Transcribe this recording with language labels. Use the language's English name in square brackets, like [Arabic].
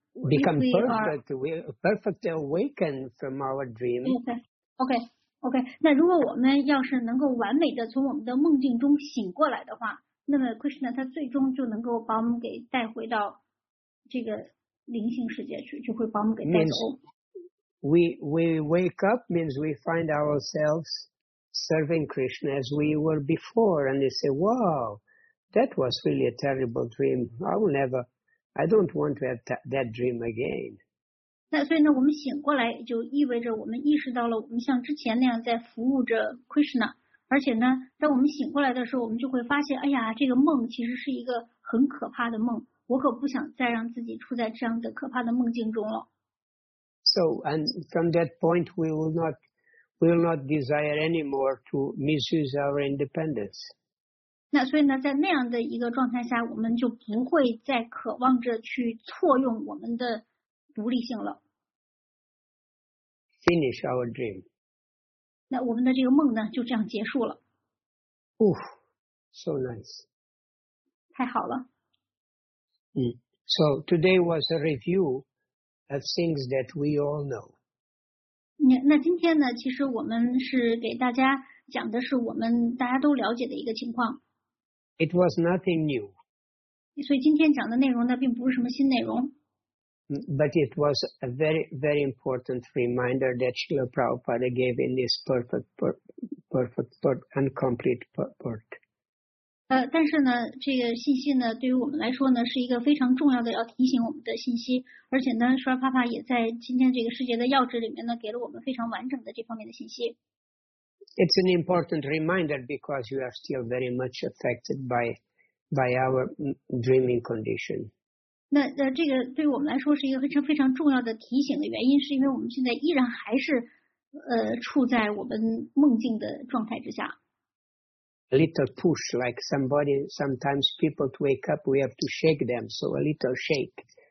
[English] become perfect, we are perfectly awakened from our dream. Okay. [Chinese] 那如果我们要是能够完美的从我们的梦境中醒过来的话，那么 Krishna 他最终就能够把我们给带回到这个灵性世界去，就会把我们给带走。 [English] We wake up means we find ourselves serving Krishna as we were before, and they say, wow. That was really a terrible dream. I don't want to have that dream again. [Chinese] 那所以呢，我们醒过来就意味着我们意识到了我们像之前那样在服务着 Krishna， 而且呢，当我们醒过来的时候，我们就会发现，哎呀，这个梦其实是一个很可怕的梦，我可不想再让自己处在这样的可怕的梦境中了。 [English] So, and from that point, we will not desire anymore to misuse our independence. [Chinese] 那所以呢，在那样的一个状态下，我们就不会再渴望着去错用我们的独立性了。 [English] Finish our dream. [Chinese] 那我们的这个梦呢，就这样结束了。 [English] Oof, so nice. [Chinese] 太好了。 [English] So today was a review are things that we all know. [Chinese] 那今天呢，其实我们是给大家讲的是我们大家都了解的一个情况。 [English] It was nothing new. [Chinese] 所以今天讲的内容呢，并不是什么新内容。 [English] But it was a very, very important reminder that Srila Prabhupada gave in this perfect, and complete purport. [Chinese] 但是呢，这个信息呢，对于我们来说呢，是一个非常重要的要提醒我们的信息。而且呢，Srila Prabhupada也在今天这个世界的要旨里面呢，给了我们非常完整的这方面的信息。 [English] It's an important reminder because you are still very much affected by our dreaming condition. [Chinese] 那这个对我们来说是一个非常非常重要的提醒的原因，是因为我们现在依然还是处在我们梦境的状态之下。 [English] A little push, like sometimes people wake up, we have to shake them, so a little shake.